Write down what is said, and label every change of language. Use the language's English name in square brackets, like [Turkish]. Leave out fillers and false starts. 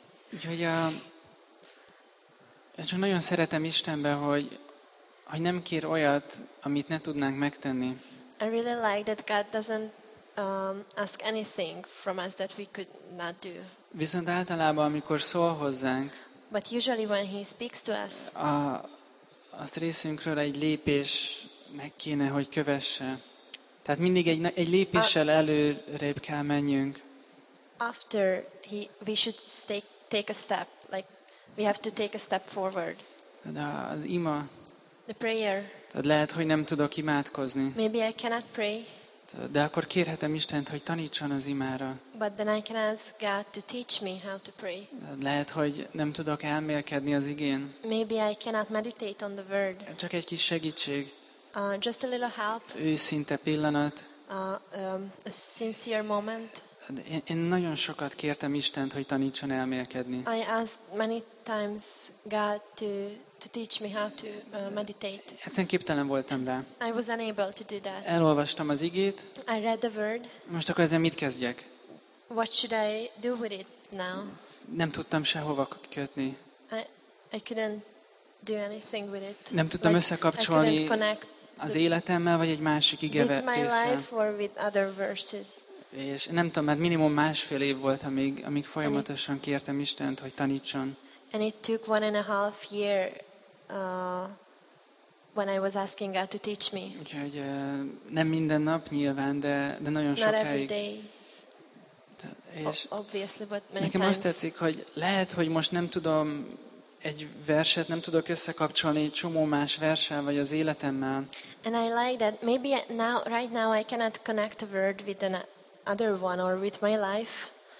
[Hungarian] Úgyhogy csak nagyon szeretem Istenbe, hogy nem kér olyat, amit ne tudnánk megtenni. [English] I really like that God doesn't ask anything from us that we could not do. [Hungarian] Viszont általában, amikor szól hozzánk, [English] but usually when he speaks to us, [Hungarian] azt részünkről egy lépés meg kéne, hogy kövesse. Tehát mindig egy lépéssel előrébb kell menjünk. [English] After we should take a step, like we have to take a step forward. [Hungarian] De az ima. [English] The prayer. [Hungarian] Tehát lehet, hogy nem tudok imádkozni. [English] Maybe I cannot pray. [Hungarian] De akkor kérhetem Istent, hogy tanítson az imára. [English] But then I can ask God to teach me how to pray. [Hungarian] Lehet, hogy nem tudok elmélkedni az igén. [English] Maybe I cannot meditate on the word. [Hungarian] Csak egy kis segítség. [English] Just a little help. [Hungarian] Őszinte pillanat. [English] A sincere moment. [Hungarian] Én nagyon sokat kértem Istent, hogy tanítson elmélkedni. [English] I asked many times God to teach me how to meditate. [Hungarian] Egyszerűen képtelen voltam rá. [English] I was unable to do that. [Hungarian] Elolvastam az igét. [English] I read the word. [Hungarian] Most akkor ezzel mit kezdjek? [English] What should I do with it now? [Hungarian] Nem tudtam sehova kötni. [English] I couldn't do anything with it. [Hungarian] Nem tudtam összekapcsolni az életemmel, vagy egy másik igeverszakkal. És nem tudom, mert minimum másfél év volt, amíg folyamatosan kértem Istent, hogy tanítson. [English] And it took 1.5 years when I was asking God to teach me. [Hungarian] Úgyhogy nem minden nap nyilván, de nagyon [English] not [Hungarian] sokáig. És [English] obviously, but many [Hungarian] nekem [English] times. [Hungarian] Azt tetszik, hogy lehet, hogy most nem tudom egy verset, nem tudok összekapcsolni csomó más verssel vagy az életemmel. [English] And I like that maybe now, right now I cannot connect a word with another one or with my life.